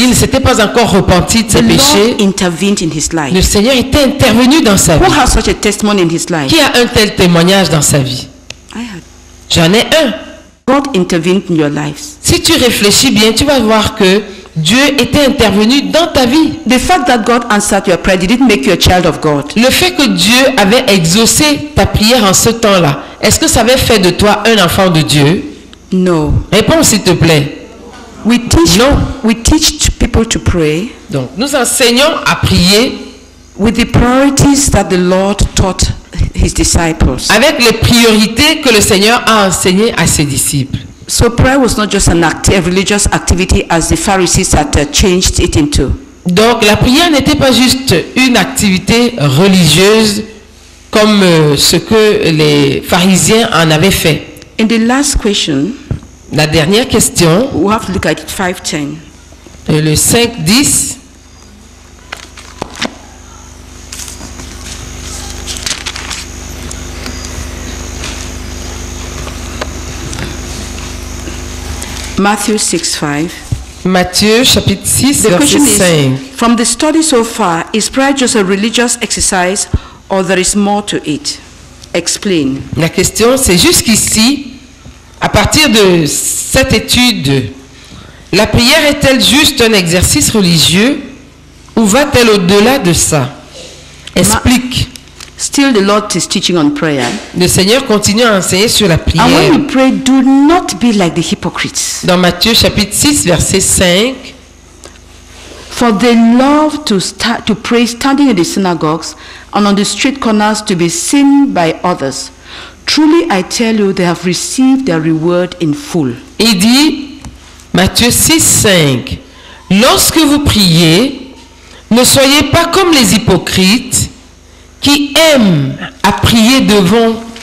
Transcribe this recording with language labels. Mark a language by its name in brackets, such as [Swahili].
[French] il ne s'était pas encore repenti de ses péchés. [English] Lord intervened in his life. [French] Le Seigneur était intervenu dans sa [English] Who [French] vie. [English] Has such a testimony in his life? [French] Qui a un tel témoignage dans sa vie? [English] I had. [French] J'en ai un. [English] God intervened in your lives. [French] Si tu réfléchis bien, tu vas voir que Dieu était intervenu dans ta vie. [English] The fact that God answered your prayer didn't make you a child of God. [French] Le fait que Dieu avait exaucé ta prière en ce temps-là, est-ce que ça avait fait de toi un enfant de Dieu? Non. Réponds s'il te plaît. [English] We teach people to pray. [French] Donc, nous enseignons à prier. [English] With the priorities that the Lord taught his disciples. [French] Avec les priorités que le Seigneur a enseignées à ses disciples. [English] So prayer was not just an active religious activity as the Pharisees had changed it into. [French] Donc la prière n'était pas juste une activité religieuse comme ce que les pharisiens en avaient fait. [English] In the last question, [French] la dernière question, [English] we have to look at 5:10. [French] Le 5:10. [English] Matthew 6:5. [French] Matthew chapitre 6, verset 5. [English] From the study so far, is prayer just a religious exercise or there is more to it? Explain. [French] La question, c'est jusqu'ici, à partir de cette étude, la prière est-elle juste un exercice religieux ou va-t-elle au-delà de ça? Explique. [English] Still, the Lord is teaching on prayer. [French] Le Seigneur continue à enseigner sur la prière. [English] And when you pray, do not be like the hypocrites. [French] Dans Matthieu chapitre 6, verset 5. [English] For they love to pray standing in the synagogues and on the street corners to be seen by others. Truly, I tell you, they have received their reward in full. [French] Il dit, Matthieu 6, 5. Lorsque vous priez, ne soyez pas comme les hypocrites qui aiment à prier devant.